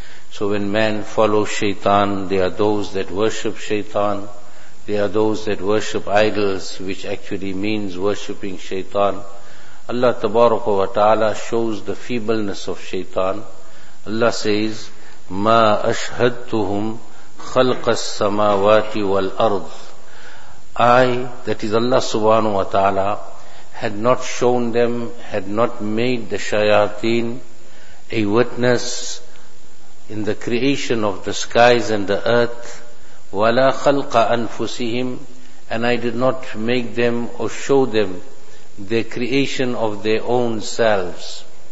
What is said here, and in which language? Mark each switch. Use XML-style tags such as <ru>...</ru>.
<en>So when man follows shaitan, there are those that worship shaitan, there are those that worship idols, which actually means worshipping shaitan. Allah tabaraka wa ta'ala shows the feebleness of shaitan. Allah says,</en> <ar>مَا أَشْهَدْتُهُمْ خَلْقَ السَّمَاوَاتِ وَالْأَرْضِ.</ar> <en>I, that is Allah subhanahu wa ta'ala, had not shown them, had not made the shayateen a witness in the creation of the skies and the earth,</en> <ar>wala khalqa anfusihim,</ar> <en>and I did not make them or show them the creation of their own selves.</en>